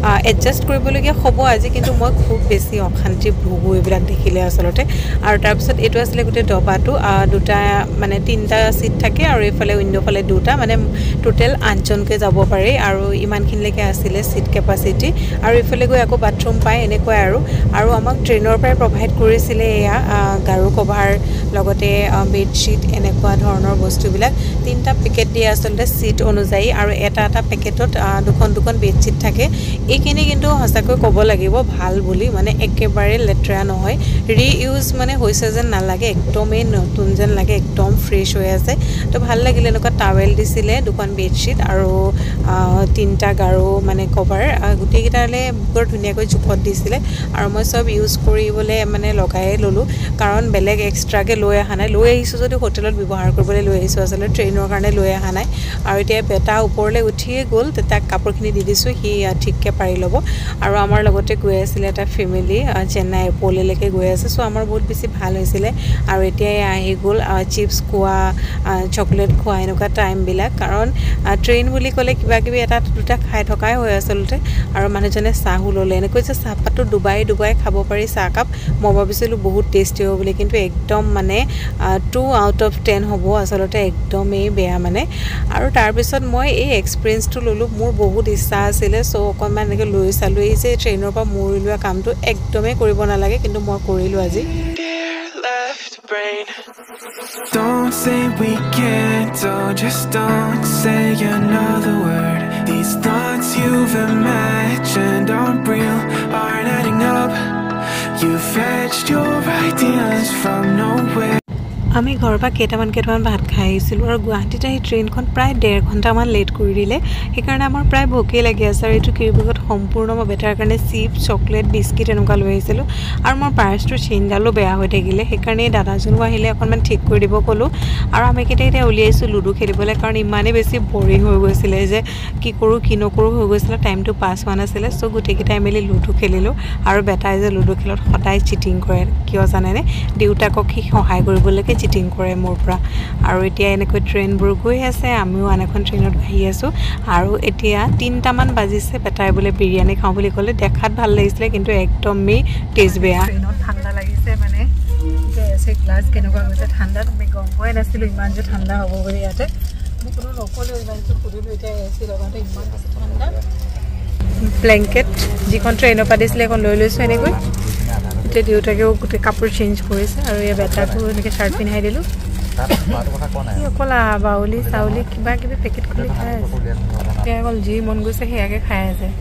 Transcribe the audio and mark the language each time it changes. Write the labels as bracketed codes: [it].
[as] Adjust কৰিবলগীয়া হ'ব আজি কিন্তু মই খুব বেছি অশান্তি ভুগো এইবিলাক দেখিলে আচলতে আৰু তাৰপিছত এইটো আছিলে গোটেই ডবাটো দুটা মানে তিনিটা ছিট থাকে আৰু এইফালে উইণ্ডোফালে দুটা মানে টোটেল আঠজনকৈ যাব পাৰি আৰু ইমানখিনিলৈকে আছিলে ছিট কেপাচিটি আৰু এইফালে গৈ আকৌ বাথৰুম পায় এনেকুৱাই আৰু আৰু আমাক ট্ৰেইনৰ পৰাই প্ৰভাইড কৰিছিলে এয়া গাৰু কভাৰ লগতে বেডশ্বীট এনেকুৱা ধৰণৰ বস্তুবিলাক তিনিটা পেকেট দিয়ে আচলতে ছিট অনুযায়ী আৰু এটা এটা পেকেটত দুখন দুখন বেডশ্বীট থাকে এইখিনি কিন্তু সঁচাকৈ ক'ব লাগিব ভাল বুলি মানে একেবাৰে একেবারে লেতেরা নহয়, রি ইউজ মানে হয়েছে যেন নালাগে, একদমই নতুন যেন লাগে, একদম ফ্রেশ হয়ে আছে। তো ভাল লাগিল, এনেকুৱা টাৱেল দিছিলে, দুখন বেডশ্বিট আৰু তিনিটা গাৰো মানে কভাৰ, গোটেইকেইটালে বৰ ধুনীয়াকৈ জোখত দিছিলে আৰু মই সব ইউজ কৰিবলৈ মানে লগাই ল'লোঁ, কাৰণ বেলেগ এক্সট্ৰাকৈ লৈ অহা নাই, লৈ আহিছোঁ যদিও হোটেলত ব্যৱহাৰ কৰিবলৈ লৈ আহিছোঁ, আচলতে ট্ৰেইনৰ কাৰণে লৈ অহা নাই। আৰু এতিয়া বেটা ওপৰলৈ উঠিয়ে গ'ল, তেতিয়া কাপোৰখিনি দি দিছোঁ, সি ঠিককৈ পাৰি ল'ব। আৰু আমাৰ লগতে গৈ আছিলে এটা ফেমিলি, চেন্নাই এয়াৰপোৰ্টলৈকে গৈ আছে, চ' আমাৰ বহুত বেছি ভাল হৈছিলে। আৰু এতিয়াই আহি গ'ল চিপছ খোৱা, চকলেট খোৱা, এনেকুৱা টাইমবিলাক, কাৰণ ট্ৰেইন বুলি ক'লে কিবাকিবি এটা দুটা খাই থকাই হয় আচলতে। আৰু মানুহজনে চাহো ল'লে, এনেকৈ যে চাহপাতটো ডুবাই ডুবাই খাব পাৰি চাহকাপ, মই ভাবিছিলোঁ বহুত টেষ্টি হ'ব বুলি, কিন্তু একদম মানে 2 out of 10 হ'ব আচলতে, একদমেই বেয়া মানে। আৰু তাৰপিছত মই এই এক্সপিৰিয়েঞ্চটো ল'লোঁ, মোৰ বহুত ইচ্ছা আছিলে, চ' অকণমান এনেকৈ লৈ চালোঁহি যে ট্ৰেইনৰ পৰা মূৰ উলিওৱা কামটো একদমেই কৰিব নালাগে, কিন্তু মই কৰিলোঁ আজি। [en] Don't say we can't, don't just don't say another word. These thoughts you've imagined aren't real, aren't adding up. You've fetched your ideas from nowhere. [as] আমি ঘৰৰ পৰা কেইটামান কেইটামান ভাত খাই আহিছিলোঁ, আৰু গুৱাহাটীত আহি ট্ৰেইনখন প্ৰায় 1.5 ঘণ্টামান লেট কৰি দিলে, সেইকাৰণে আমাৰ প্ৰায় ভোকেই লাগি আছে। আৰু এইটো কিৰিবেগত সম্পূৰ্ণ মই বেটাৰ কাৰণে চিপছ, চকলেট, বিস্কিট এনেকুৱা লৈ আহিছিলোঁ, আৰু মোৰ পাৰ্চটো চেইনডালো বেয়া হৈ থাকিলে, সেইকাৰণে এই দাদাজনো আহিলে অকণমান ঠিক কৰি দিব ক'লোঁ। আৰু আমিকেইটাই এতিয়া উলিয়াইছোঁ লুডু খেলিবলৈ, কাৰণ ইমানেই বেছি বৰিং হৈ গৈছিলে যে কি কৰোঁ কি নকৰোঁ হৈ গৈছিলে, টাইমটো পাছ হোৱা নাছিলে, চ' গোটেইকেইটাই মিলি লুডু খেলিলোঁ। আৰু বেটাই যে লুডু খেলত সদায় চিটিং কৰে, কিয় জানেনে, দেউতাকক সি সহায় কৰিবলৈ চিটিং কৰে মোৰ পৰা। আৰু এতিয়া এনেকৈ ট্ৰেইনবোৰ গৈ আছে, আমিও আন এখন ট্ৰেইনত আহি আছোঁ। আৰু এতিয়া 3টামান বাজিছে, বেটাই বোলে বিৰিয়ানী খাওঁ বুলি ক'লে, দেখাত ভাল লাগিছিলে কিন্তু একদমেই টেষ্ট বেয়া। ট্ৰেইনত ঠাণ্ডা লাগিছে মানে, আছে গ্লাচ কেনেকুৱা হৈছে ঠাণ্ডাত, আমি গম পোৱাই নাছিলোঁ ইমান যে ঠাণ্ডা হ'ব বুলি। ইয়াতে মই কোনো নক'লোঁ, ইমানটো সুধিলোঁ, এতিয়া এচি লগাওঁতে ইমান বেছি ঠাণ্ডা। ব্লেংকেট যিখন ট্ৰেইনৰ পৰা দিছিলে সেইখন লৈ লৈছোঁ এনেকৈ, এতিয়া দেউতাকেও গোটেই কাপোৰ চেঞ্জ কৰিছে, আৰু এই বেটাটো এনেকৈ শ্বাৰ্ট পিন্ধাই দিলোঁ। সি অকল বাউলি চাউলি কিবা কিবি পেকেট খুলি খাই আছে, এতিয়া অকল যি মন গৈছে সেয়াকে খাই আছে।